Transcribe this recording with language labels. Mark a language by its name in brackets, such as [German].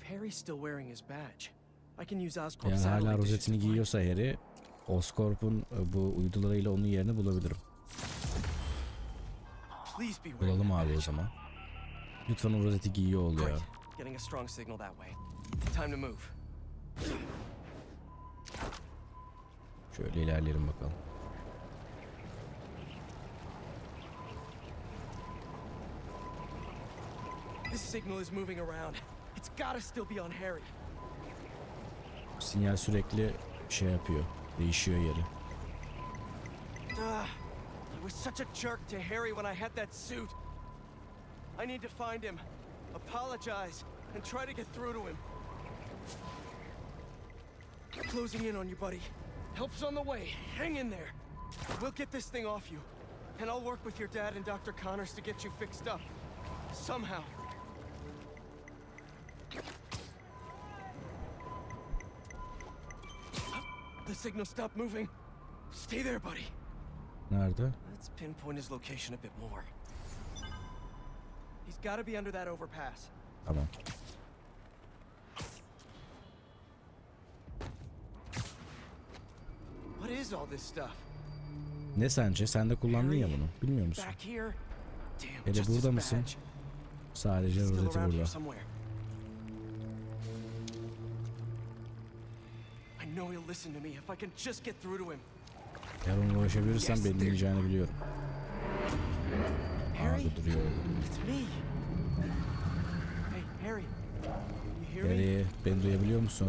[English] Still wearing his badge. I can use Oscorp's. [Turkish] Yani hala rozetini giyiyorsa Harry, Oscorp'un bu uydularıyla onun yerini bulabilirim. Bulalım abi o zaman. Lütfen o rozeti giyiyor ol ya. [English] Getting a strong signal that way. Time to move. [Turkish] Şöyle ilerleyelim bakalım. [English] This signal is moving around. It's gotta still be on Harry. [Turkish] Sinyal sürekli şey yapıyor, değişiyor yeri. [English] I was such a jerk to Harry when I had that suit. I need to find him, apologize, and try to get through to him. We're closing in on you, buddy. Help's on the way. Hang in there. We'll get this thing off you, and I'll work with your dad and Dr. Connors to get you fixed up somehow. The signal stopped moving. Stay there, buddy. [Turkish] Nerede? [English] Let's pinpoint his location a bit more. He's got to be under that overpass. [Turkish] Tamam. [English] What is all this stuff? [Turkish] Ne sence? Sen de kullandın ya bunu. Bilmiyor musun? Hele burada mısın? Sadece rozeti burada. [English] No, he'll listen to me if I can just get through to him. [Turkish] Eğer onu ulaşabilirsem beni dinleyeceğini biliyorum. [English] Harry, [Turkish] aa, duruyor. [English] It's me. Hey, Harry. You hear [Turkish] Harry, beni duyabiliyor musun?